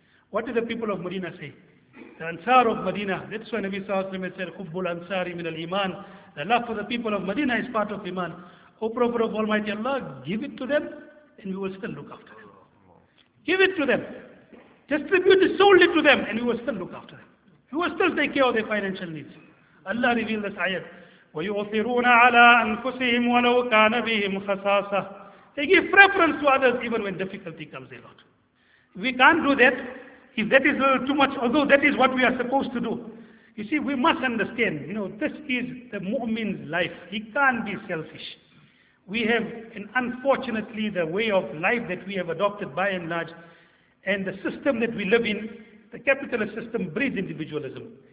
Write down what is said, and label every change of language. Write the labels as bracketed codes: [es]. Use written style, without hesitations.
[en] What did the people of Medina say? The Ansar of Medina, that's why Nabi Sallallahu Alaihi Wasallam said, Khubbul Ansari min al-Iman. The love for the people of Medina is part of Iman. O Prophet of Almighty Allah, give it to them and we will still look after them. Give it to them. Distribute it solely to them and we will still look after them. We will still take care of their financial needs. Allah revealed this ayat. [ar] وَيُؤْثِرُونَ عَلَىٰ أَنفُسِهِمْ وَلَوْ كَانَ بِهِمْ خَسَاسَةٌ. [en] They give preference to others even when difficulty comes along. We can't do that. If that is a little too much, although that is what we are supposed to do. You see, we must understand, you know, this is the mu'min's life. He can't be selfish. We have, and unfortunately, the way of life that we have adopted by and large, and the system that we live in, the capitalist system breeds individualism.